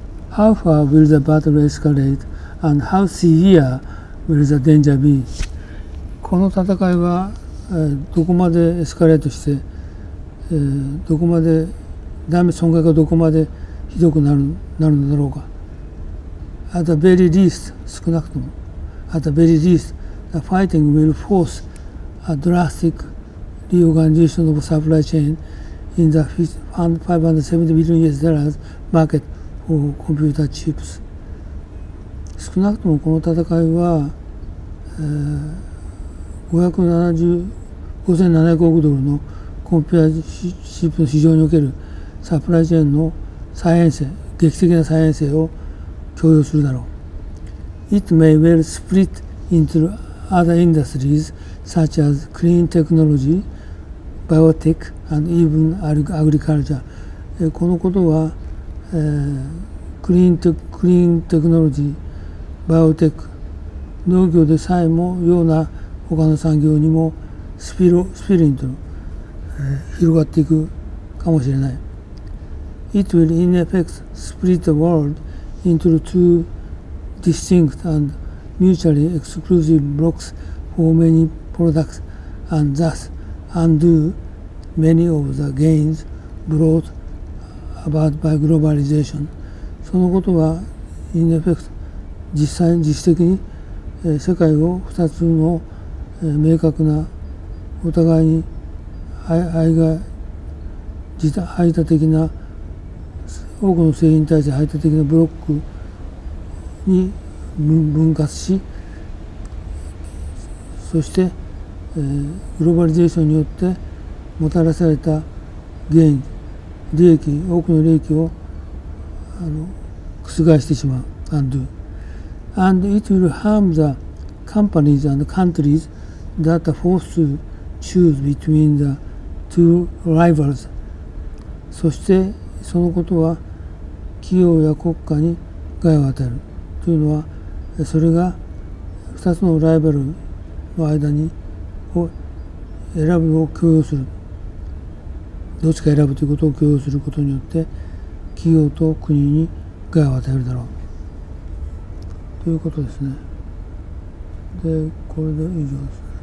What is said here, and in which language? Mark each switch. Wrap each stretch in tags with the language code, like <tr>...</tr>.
<en>How far will the battle escalate and how severe will the danger be?</en> <ja>この戦いはどこまでエスカレートして、どこまでダメ、損害がどこまでひどくなるのだろうか。</ja> <en>At the very least、</en> <ja>少なくとも</ja> <en>At the very least, the fighting will force a drasticreorganization of supply chain in the $570 billion market for computer chips.</en> <ja>少なくともこの戦いは、$575,700億のコンピューターチップの市場におけるサプライチェーンの再編成、劇的な再編成を強要するだろう。</ja> <en>It may well split into other industries such as clean technology,biotech and even agriculture.</en> <ja>このことは、クリーンテクノロジー、バイオテック、農業でさえもような他の産業にもスピリント、広がっていくかもしれない。</ja> <en>It will in effect split the world into two distinct and mutually exclusive blocks for many products and thus undoMany of the gains brought about by globalization.</en> <ja>そのことは、</ja> <en>in effect、</en> <ja>実質的に、世界を2つの、明確な、お互いに排他的な、多くの製品に対して排他的なブロックに分割し、そして、グローバリゼーションによって、もたらされた原因、利益、多くの利益を覆してしまう。</ja> <en>Undo. And it will harm the companies and countries that are forced to choose between the two rivals.</en> <ja>そしてそのことは企業や国家に害を与える。というのはそれが2つのライバルの間にを選ぶのを強要する。どっちか選ぶということを強要することによって企業と国に害を与えるだろうということですね。で、これで以上です。</ja>